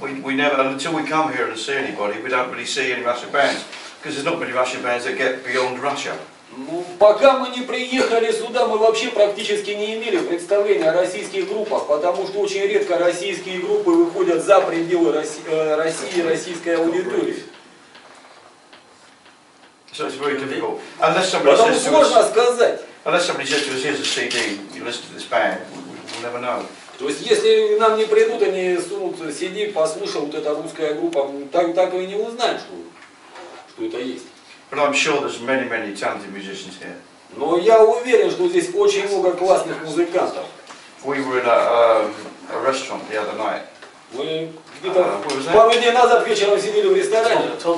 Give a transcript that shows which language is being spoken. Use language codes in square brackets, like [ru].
[en] We never, until we come here to see anybody, we don't really see any Russian bands. Because there's not many Russian bands that get beyond Russia. [ru] Ну, пока мы не приехали сюда, мы вообще практически не имели представления о российских группах, потому что очень редко российские группы выходят за пределы России и российской аудитории. [en] So it's very difficult. Unless somebody says to us, here's a CD, you listen to this band, we'll never know. [ru] То есть если нам не придут, они сунут CD, послушал вот эта русская группа, так и не узнают, что это есть. [en] But I'm sure there's many talented musicians here. [ru] Но я уверен, что здесь очень много классных музыкантов. [en] We were at a restaurant the other night. [ru] Мы где-то пару дней назад вечером сидели в ресторане.